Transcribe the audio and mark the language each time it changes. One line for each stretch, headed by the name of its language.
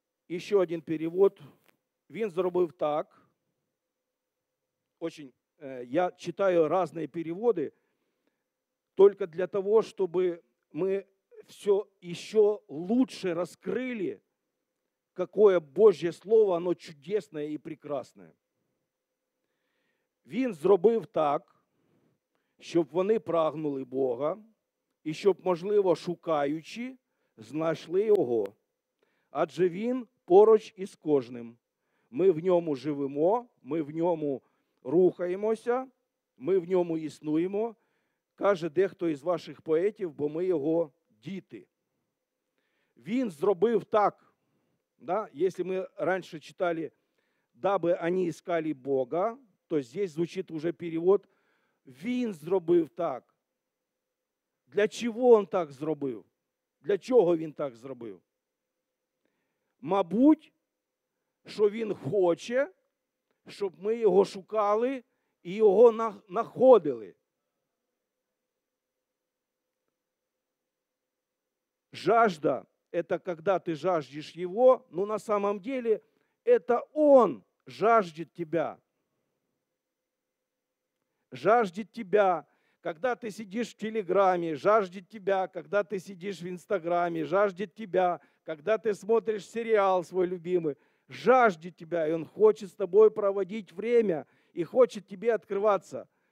Russian: Еще один перевод.
Ukrainian: Він зробив так.
Russian: Очень, я читаю разные переводы только для того, чтобы мы все еще лучше раскрыли, какое Божье Слово, оно чудесное и прекрасное.
Ukrainian: Він зробив так, щоб вони прагнули Бога, і щоб, можливо, шукаючи, знайшли Його. Адже Він поруч із кожним. Ми в ньому живемо, ми в ньому рухаємося, ми в ньому існуємо, каже дехто із ваших поетів, бо ми його діти. Він зробив так, да, якщо ми раніше читали,
Russian: дабы вони искали Бога, то здесь звучит уже перевод, він зробив так.
Ukrainian: Для чого він так зробив? Для чого він так зробив? Мабуть, що він хоче, щоб ми його шукали і його знаходили.
Russian: Жажда – это когда ты жаждешь Его, но на самом деле это Он жаждет тебя. Жаждет тебя, когда ты сидишь в Телеграме, жаждет тебя, когда ты сидишь в Инстаграме, жаждет тебя, когда ты смотришь сериал свой любимый, жаждет тебя, и Он хочет с тобой проводить время и хочет тебе открываться.